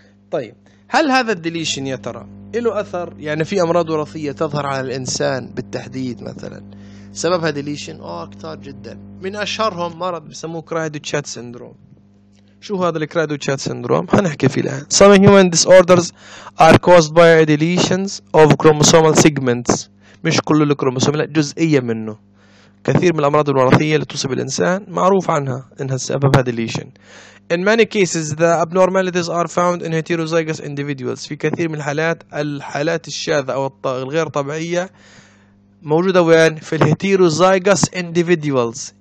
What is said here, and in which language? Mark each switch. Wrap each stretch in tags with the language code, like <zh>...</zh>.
<ar>طيب هل هذا الديليشن يا ترى له أثر؟ يعني في أمراض وراثية تظهر على الإنسان بالتحديد مثلا سببها ديليشن؟ كتار جدا، من أشهرهم مرض بسموه كرايدوتشات سندروم. شو هذا الكرايدوتشات سندروم؟ هنحكي فيه الآن.</ar> <en>Some human disorders are caused by deletions of chromosomal segments،</en> <ar>مش كل الكروموسوم، لا جزئية منه. كثير من الأمراض الوراثية اللي تصيب الإنسان معروف عنها إنها سببها ديليشن.</ar> <en>In many cases the abnormalities are found in heterozygous individuals،</en> <ar>في كثير من الحالات الشاذة أو الغير طبيعية موجودة وين؟ في الheterozygous individuals.</ar>